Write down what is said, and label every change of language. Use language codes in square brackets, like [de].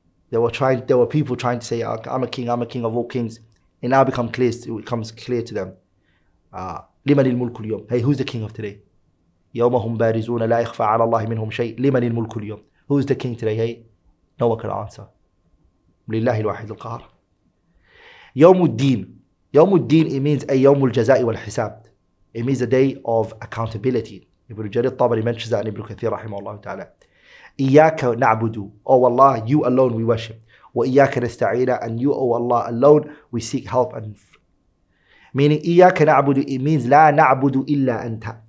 [en] There were people trying to say, I'm a king of all kings. It now becomes clear to them. [ar] لِمَنِ الْمُلْكُ الْيَوْمِ. [en] Hey, who's the king of today? [ar] يَوْمَهُمْ بَارِزُونَ لَا إِخْفَى عَلَى اللَّهِ مِنْهُمْ شَيْءٍ لِمَنِ الْمُلْكُ الْيَوْمِ. [en] Who's the king today? Hey, no one can answer. [ar] لله الواحد القهار. يوم الدين. يوم الدين, [en] it means a [ar] يوم الجزاء والحساب. [en] It means a day of accountability. Ibn Jarir al-Tabari mentions that in Ibn Kathir [ar] رحمه الله تعالى. إياك نعبدو. [en] Oh Allah, you alone we worship. [ar] وإياك نستعين. [en] And you, oh Allah, alone we seek help. And meaning [ar] إياك نعبدو, [en] it means [ar] لا نعبدو إلا أنت.